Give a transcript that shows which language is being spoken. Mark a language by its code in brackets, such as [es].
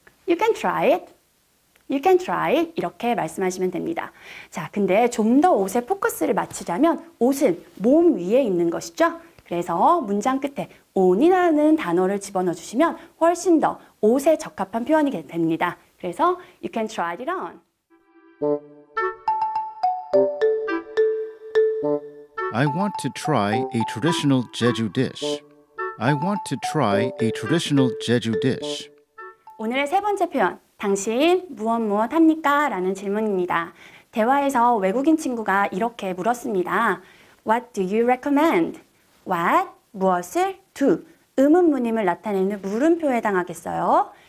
[en] You can try it. You can try it. [ko] 이렇게 말씀하시면 됩니다. 자, 근데 좀 더 옷에 포커스를 맞추자면 옷은 몸 위에 있는 것이죠. 그래서 문장 끝에 on이라는 단어를 집어넣어 주시면 훨씬 더 옷에 적합한 표현이 됩니다. 그래서 [en] you can try it on. I want to try a traditional Jeju dish. I want to try a traditional Jeju dish. [ko] 오늘의 세 번째 표현, 당신 무엇 무엇 합니까? 라는 질문입니다. 대화에서 외국인 친구가 이렇게 물었습니다. [en] What do you recommend? [ko] What, 무엇을, do, 의문문임을 나타내는 물음표에 해당하겠어요.